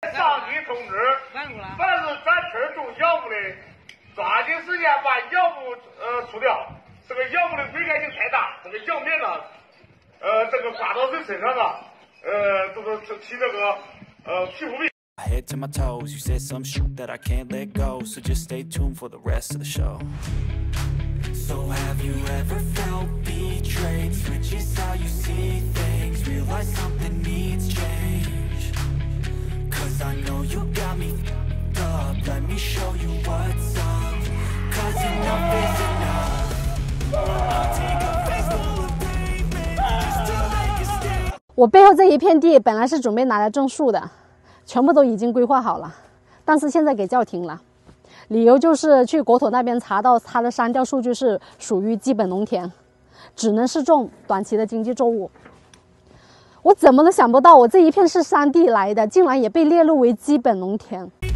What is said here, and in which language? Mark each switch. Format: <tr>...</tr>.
<zh>通知，凡是咱村种药物的，抓紧时间把药物除掉。这个药物的危害性太大，这个药面呢，这个刮到人身上呢，都是起那个皮肤病。</zh> <en>Head to my toes, you said some shit that I can't let go, so just stay tuned for the rest of the show. So have you ever felt betrayed? Switches how you see things, realize something needs change. Cause I know you got me f***ed up, let me show you what's up. Cause enough is enough. I'll take a face full of pavement just to make a stand.</en> <zh>我背后这一片地本来是准备拿来种树的，全部都已经规划好了，但是现在给叫停了，理由就是去国土那边查到它的山调数据是属于基本农田，只能是种短期的经济作物。我怎么都想不到我这一片是山地来的，竟然也被列入为基本农田。</zh>